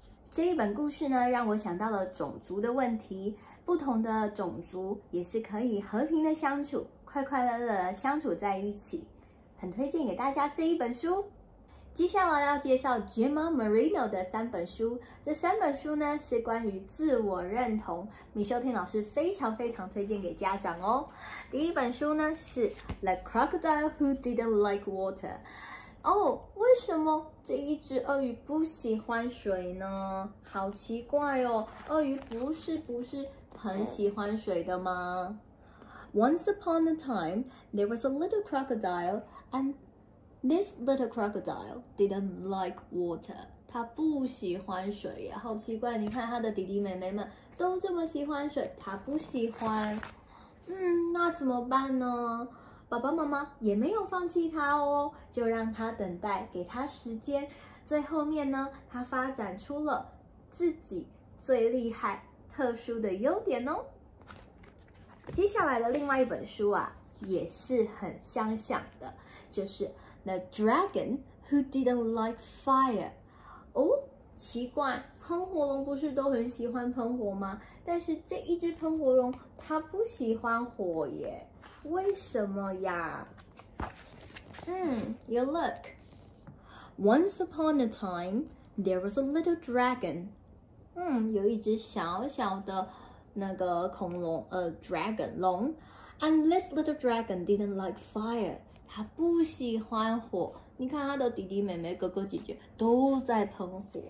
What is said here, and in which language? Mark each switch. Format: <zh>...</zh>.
<zh>这一本故事呢让我想到了种族的问题，不同的种族也是可以和平的相处，快快乐乐的相处在一起，很推荐给大家这一本书。接下来要介绍 Gemma Marino 的三本书，这三本书呢是关于自我认同，米秀婷老师非常非常推荐给家长哦。第一本书呢是 The Crocodile Who Didn't Like Water。哦，为什么这一只鳄鱼不喜欢水呢？好奇怪哦，鳄鱼不是很喜欢水的吗？</zh> <en>Once upon a time, there was a little crocodile, and this little crocodile didn't like water.</en> <zh>他不喜欢水耶，好奇怪，你看他的弟弟妹妹们都这么喜欢水，他不喜欢。那怎么办呢？爸爸妈妈也没有放弃他哦，就让他等待，给他时间。最后面呢，他发展出了自己最厉害、特殊的优点哦。接下来的另外一本书啊，也是很相像的，就是《The Dragon Who Didn't Like Fire》。哦，奇怪，喷火龙不是都很喜欢喷火吗？但是这一只喷火龙，它不喜欢火耶。为什么呀？</zh> <en>You look. Once upon a time, there was a little dragon.</en> <zh>有一只小小的那个恐龙dragon 龙。</zh> <en>And this little dragon didn't like fire.</en> <zh>他不喜欢火。你看他的弟弟妹妹哥哥姐姐都在喷火。</zh>